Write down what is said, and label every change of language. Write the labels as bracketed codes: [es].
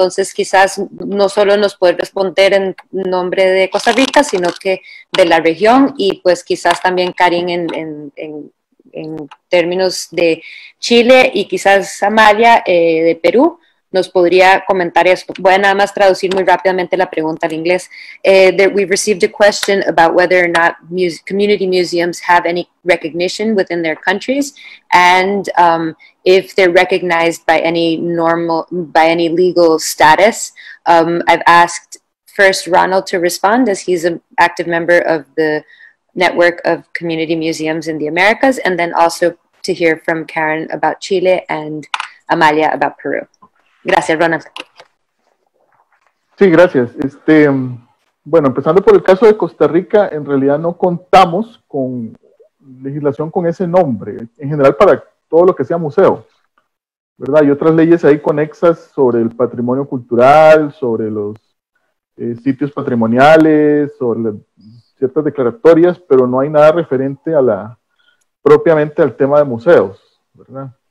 [es] Entonces quizás no solo nos puede responder en nombre de Costa Rica, sino que de la región, y pues quizás también Karin en términos de Chile, y quizás Amalia de Perú, nos podría comentar esto. Voy a nada más traducir muy rápidamente la pregunta al inglés. [en] That we've received a question about whether or not community museums have any recognition within their countries, and if they're recognized by any normal, by any legal status. I've asked first Ronald to respond, as he's an active member of the network of community museums in the Americas, and then also to hear from Karen about Chile and Amalia about Peru. [es] Gracias, Ronald. Sí, gracias. Bueno, empezando por el caso de Costa Rica, en realidad no contamos con legislación con ese nombre, en general para todo lo que sea museo, ¿verdad? Hay otras leyes ahí conexas sobre el patrimonio cultural, sobre los sitios patrimoniales, sobre ciertas declaratorias, pero no hay nada referente a propiamente al tema de museos, ¿verdad?